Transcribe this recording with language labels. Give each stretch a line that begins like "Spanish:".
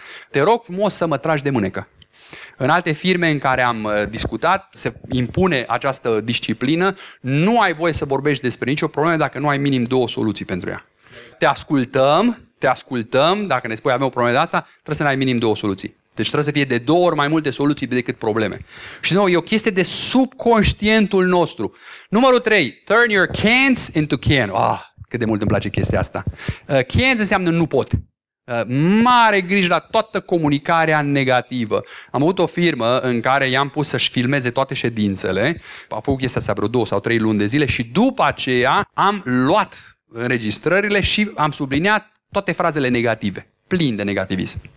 Romanian: Te rog frumos să mă tragi de mânecă. În alte firme în care am discutat, se impune această disciplină, nu ai voie să vorbești despre nicio problemă dacă nu ai minim două soluții pentru ea. Te ascultăm, dacă ne spui avem o problemă de asta, trebuie să n-ai minim două soluții. Deci trebuie să fie de două ori mai multe soluții decât probleme. Și nu, e o chestie de subconștientul nostru. Numărul 3,
English: turn your can't into can.
Romanian: Ah, oh, cât de mult îmi place chestia asta. Can't înseamnă nu pot. Mare grijă la toată comunicarea negativă. Am avut o firmă în care i-am pus să-și filmeze toate ședințele. A făcut chestia asta vreo 2 sau 3 luni de zile și după aceea am luat înregistrările și am subliniat toate frazele negative, plin de negativism.